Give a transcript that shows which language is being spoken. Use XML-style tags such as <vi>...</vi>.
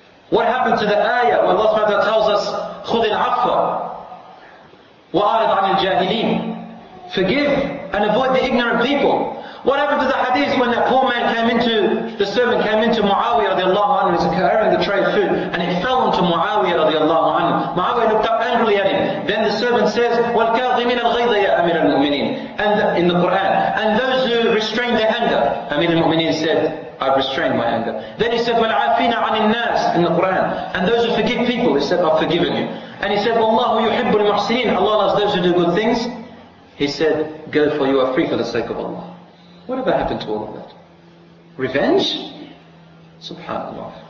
<en>What happened to the ayah where Allah subhanahu wa ta'ala tells us,</en> <ar>خُذِ الْعَفْوَ وَأَعْرِضْ عَنِ الْجَاهِلِينَ.</ar> <en>Forgive and avoid the ignorant people. What happened to the hadith when that poor man came into, the servant came into Muawiyah radiallahu anhu, was carrying the tray of food, and it fell onto Muawiyah radiallahu anhu. Muawiyah looked up angrily at him. Then the servant says,</en> <ar>وَالْكَاظِمِينَ الْغَيْضَ يَا أَمِرَ الْمُؤْمِنِينَ.</ar> <en>And in the Quran, and those who restrained their anger, Amir al-Mu'mineen said, I've restrained my anger. Then he said,</en> <ar>وَالْعَافِينَ عَنِ النَّاسِ</ar> <en>in the Quran. And those who forgive people, he said, I've forgiven you. And he said,</en> <ar>وَاللَّهُ يُحِبُّ الْمُحْسِنِينَ.</ar> <en>Allah loves those who do good things. He said, go for you are free for the sake of Allah. Whatever happened to all of that? Revenge? SubhanAllah.</en>